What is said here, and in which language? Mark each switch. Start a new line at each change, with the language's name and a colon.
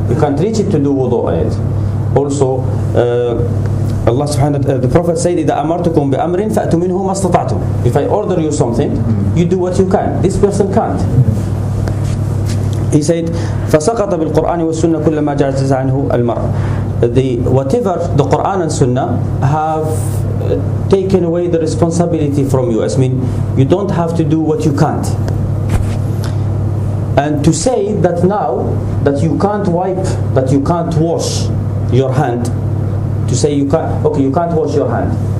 English: You can't reach it to do wudu on it. Also, Allah subhanahu wa ta'ala, the Prophet said,
Arabic: إذا أمرتكم بأمر فأتوا منه ما استطعتم.
English: If I order you something, you do what you can. This person can't. He said,
Arabic: فسقط بالقرآن والسنة كل ما جاز عنه المرء.
English: Whatever the Quran and Sunnah have taken away the responsibility from you. I mean, you don't have to do what you can't. And to say that now that you can't wipe, that you can't wash your hand, to say you can't, okay, you can't wash your hand.